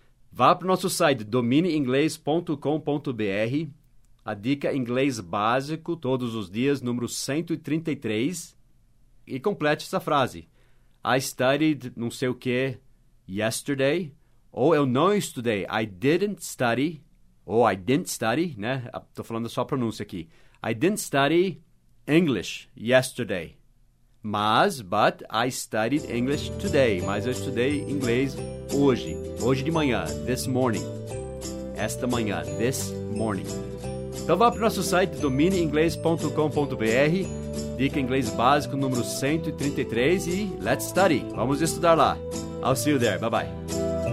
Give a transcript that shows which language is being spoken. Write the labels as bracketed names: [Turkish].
[Portuguese] Vá para o nosso site, domineinglês.com.br, a dica inglês básico, todos os dias, número 133, e complete essa frase. [English] I studied [Portuguese] não sei o que [English] yesterday, [Portuguese] ou eu não estudei, [English] I didn't study. [Portuguese] Ou [English] I didn't study, [Portuguese] né? Estou falando só a pronúncia aqui. [English] I didn't study English yesterday. But I studied English today. [Portuguese] Mas eu estudei inglês hoje. Hoje de manhã. [English] This morning. [Portuguese] Esta manhã. This morning. Então vá para o nosso site, domineinglês.com.br. Dica inglês básico número 133. E [English] let's study. [Portuguese] Vamos estudar lá. [English] I'll see you there. Bye-bye.